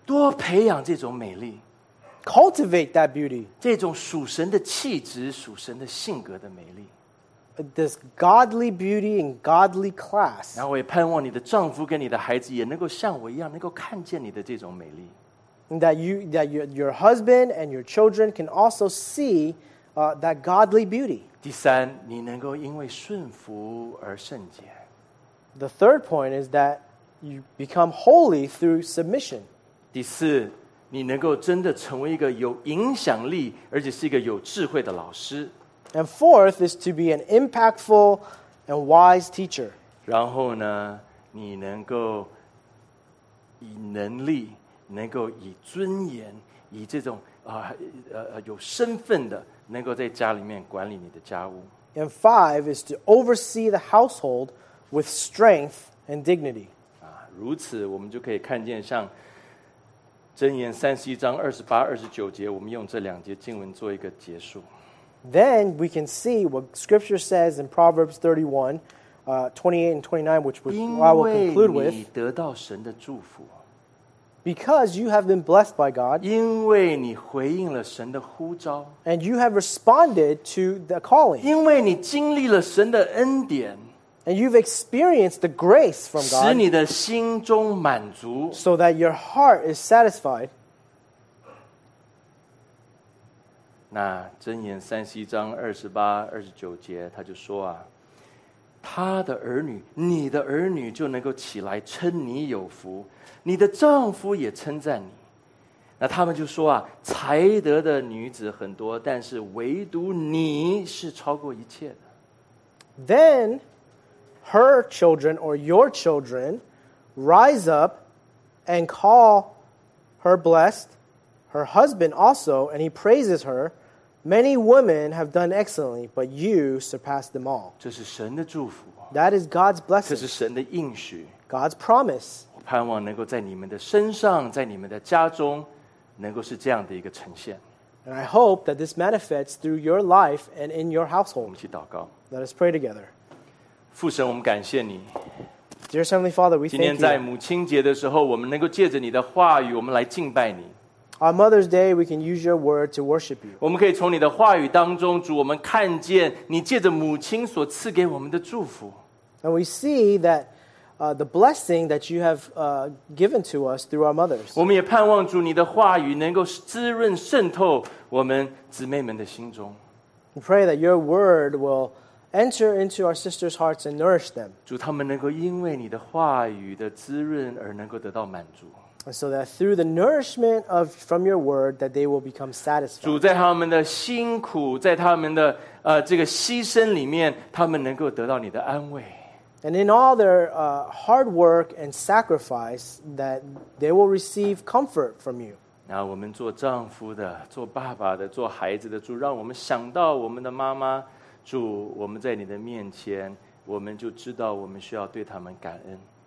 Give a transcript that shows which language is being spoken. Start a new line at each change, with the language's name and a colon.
Chinese: 多培养这种美丽。
English: Cultivate that beauty.
Chinese: 这种属神的气质，属神的性格的美丽。
English: This godly beauty and godly class.
Chinese: 然后我也盼望你的丈夫跟你的孩子也能够像我一样，能够看见你的这种美丽。
English: That your husband and your children can also see that godly beauty.
Chinese: 第三，你能够因为顺服而圣洁。
English: The third point is that you become holy through submission.
Chinese: 第四，你能够真的成为一个有影响力而且是一个有智慧的老师。
English: And fourth is to be an impactful and wise teacher.
Chinese: 然后呢，你能够以能力，能够以尊严，以这种有身份的，能够在家里面管理你的家务。
English: And five is to oversee the household with strength and dignity.
Chinese: 如此我们就可以看见像箴言三十一章二十八、二十九节，我们用这两节经文做一个结束。
English: Then we can see what Scripture says in Proverbs 31, 28 and 29, which I will conclude with.
Chinese: 因为你得到神的祝福。
English: Because you have been blessed by God.
Chinese: 因为你回应了神的呼召。
English: And you have responded to the calling.
Chinese: 因为你经历了神的恩典。
English: And you've experienced the grace from God.
Chinese: 使你的心中满足。
English: So that your heart is satisfied.
Chinese: 那箴言三十一章二十八、二十九节，他就说啊，他的儿女，你的儿女就能够起来称你有福，你的丈夫也称赞你。那他们就说啊，才德的女子很多，但是唯独你是超过一切的。
English: Then her children or your children rise up and call her blessed, her husband also, and he praises her. Many women have done excellently, but you surpass them all.
Chinese: 这是神的祝福。
English: That is God's blessing.
Chinese: 这是神的应许。
English: God's promise.
Chinese: 我盼望能够在你们的身上，在你们的家中，能够是这样的一个呈现。
English: And I hope that this manifests through your life and in your household.
Chinese: 我们一起祷告。
English: Let us pray together.
Chinese: 父神，我们感谢你。
English: Dear Heavenly Father, we thank you.
Chinese: 今天在母亲节的时候，我们能够借着你的话语，我们来敬拜你。
English: On Mother's Day, we can use your word to worship you.
Chinese: 我们可以从你的话语当中，主，我们看见你借着母亲所赐给我们的祝福。
English: And we see that the blessing that you have given to us through our mothers.
Chinese: 我们也盼望主你的话语能够滋润渗透我们姊妹们的心中。
English: We pray that your word will enter into our sisters' hearts and nourish them.
Chinese: 主，他们能够因为你的话语的滋润而能够得到满足。
English: And so that through the nourishment of from your word, that they will become satisfied.
Chinese: 主在他们的辛苦，在他们的这个牺牲里面，他们能够得到你的安慰。
English: And in all their hard work and sacrifice, that they will receive comfort from you.
Chinese: 那我们做丈夫的，做爸爸的，做孩子的，主让我们想到我们的妈妈，主我们在你的面前，我们就知道我们需要对他们感恩。